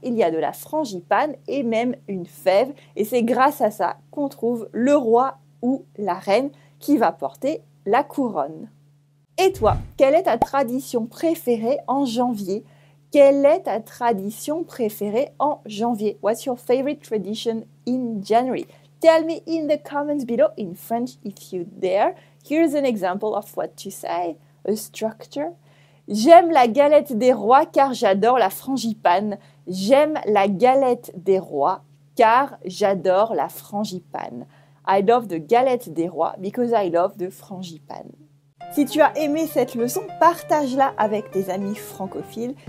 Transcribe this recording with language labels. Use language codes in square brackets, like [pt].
[fr] Il y a de la frangipane et même une fève. Et c'est grâce à ça qu'on trouve le roi ou la reine qui va porter la couronne. Et toi, quelle est ta tradition préférée en janvier? Quelle est ta tradition préférée en janvier? [en] What's your favorite tradition in January? Tell me in the comments below in French if you dare. Here's an example of what to say, a structure. [fr] J'aime la galette des rois car j'adore la frangipane. J'aime la galette des rois car j'adore la frangipane. [en] I love the galette des rois because I love the frangipane. [fr] Si tu as aimé cette leçon, partage-la avec tes amis francophiles.